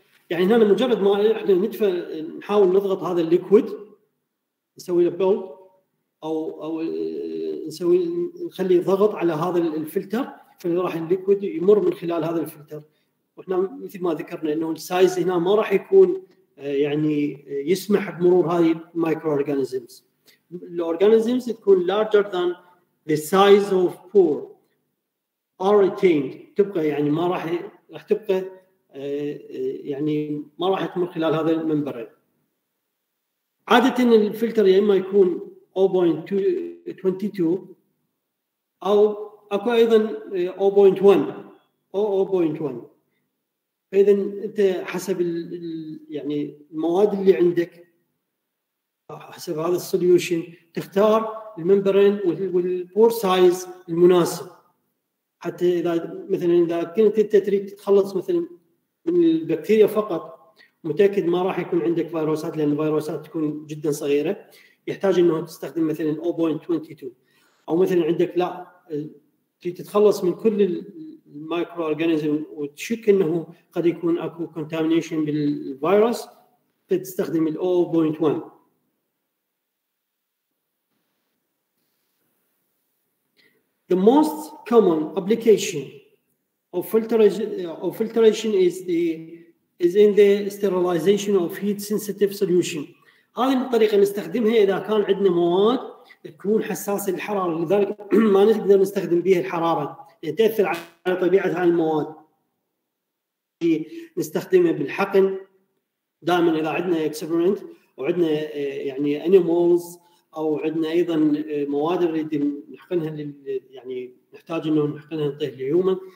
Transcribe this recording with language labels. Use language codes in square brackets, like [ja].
[ar] يعني هنا مجرد ما احنا ندفع نحاول نضغط هذا الليكويد نسوي له بول او نسوي نخلي ضغط على هذا الفلتر، فراح الليكويد يمر من خلال هذا الفلتر. واحنا مثل ما ذكرنا انه السايز هنا ما راح يكون يعني يسمح بمرور هذه المايكرو اورجانيزمز. الاورجانيزمز تكون [en] larger than the size of pore are retained. [ar] تبقى يعني ما راح تبقى يعني ما راح تمر خلال هذا الممبرين. عادة الفلتر يا إما يكون 0.22 أو أكو أيضا 0.1. إذا أنت حسب يعني المواد اللي عندك حسب هذا السوليوشن تختار الممبرين والبور سايز المناسب، حتى إذا مثلا إذا كنت أنت تريد تتخلص مثلا من البكتيريا فقط، متأكد ما راح يكون عندك فيروسات لأن الفيروسات تكون جدا صغيرة، يحتاج إنه تستخدم مثلا 0.22. أو مثلا عندك لا تتخلص من كل المايكرو أورجانيزم وتشك إنه قد يكون أكو كونتامينيشن بالفيروس، تستخدم 0.1. [en] The most common application of filtration is in the sterilization of heat sensitive solution. [ar] هذه الطريقه نستخدمها اذا كان عندنا مواد تكون حساسه للحراره، لذلك ما نقدر نستخدم بها الحراره تاثر على طبيعه هذه المواد. نستخدمها بالحقن دائما اذا عندنا experiment وعندنا يعني animals او عندنا ايضا مواد نريد نحقنها يعني نحتاج انه نحقنها نطيه اليوم.